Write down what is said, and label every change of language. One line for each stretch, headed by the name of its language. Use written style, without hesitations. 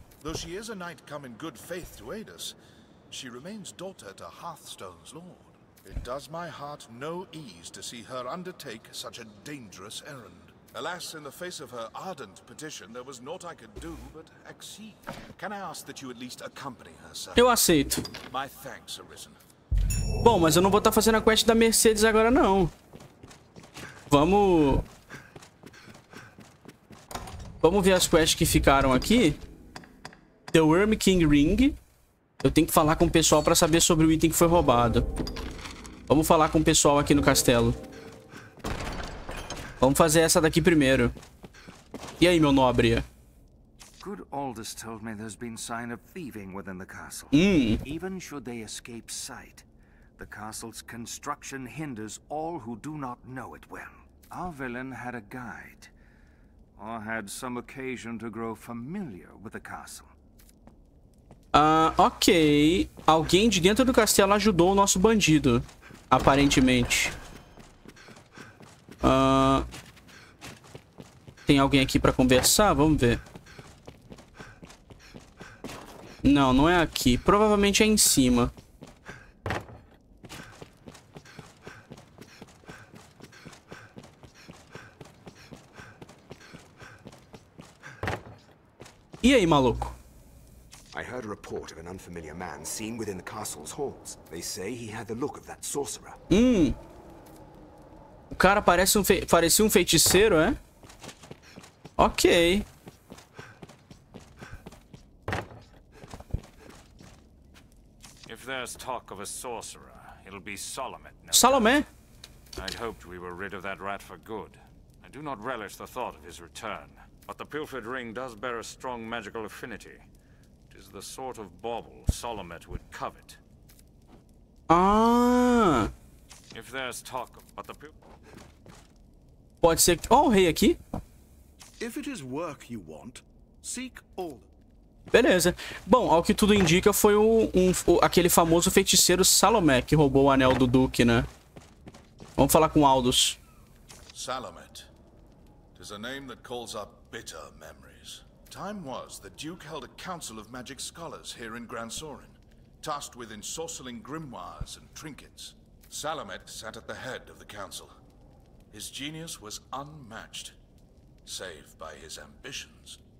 English: Though she is a knight come in good faith to aid us, she remains daughter to Hearthstone's lord. It does my heart no ease to see her undertake such a dangerous errand. Alas, in the face of her ardent petition, there was naught I could do but accede. Can I ask that you at least accompany her, sir?
Portuguese: Eu aceito.
English: My thanks, Arisen.
Portuguese: Bom, mas eu não vou estar fazendo a quest da Mercedes agora, não. Vamos ver as quests que ficaram aqui. The Worm King Ring. Eu tenho que falar com o pessoal pra saber sobre o item que foi roubado. Vamos falar com o pessoal aqui no castelo. Vamos fazer essa daqui primeiro. E aí, meu nobre?
English: Good Aldous told me there's been sign of thieving within the castle. Even should they escape sight, the castle's construction hinders all who do not know it well. Our villain had a guide, or had some occasion to grow familiar with the castle. Ok.
Portuguese: Alguém de dentro do castelo ajudou o nosso bandido, aparentemente. Tem alguém aqui pra conversar? Vamos ver. Não, não é aqui. Provavelmente é em cima. E aí, maluco?
English: I heard a report of an unfamiliar man seen within the castle's halls. They say he had the look of that sorcerer.
Portuguese: O cara parece parecia um feiticeiro, é? Ok.
English: If there's talk of a sorcerer, it'll be Solomon.
Portuguese: Salomé?
English: I'd hoped we were rid of that rat for good. I do not relish the thought of his return, but the pilfered ring does bear a strong magical affinity. Is the sort of bauble Solomet would covet. Ah! If there's talk about the
Portuguese: pode ser que... Oh, rei aqui.
English: If it is work you want, seek all.
Portuguese: Beleza. Bom, ao que tudo indica, foi aquele famoso feiticeiro Salomé que roubou o anel do Duque, né? Vamos falar com Aldous. Salomet.
English: It is a name that calls up bitter memories. Time was, the Duke held a council of magic scholars here in Gran Sorin, tasked with ensorcelling grimoires and trinkets. Salamet sat at the head of the council. His genius was unmatched, save by his ambitions.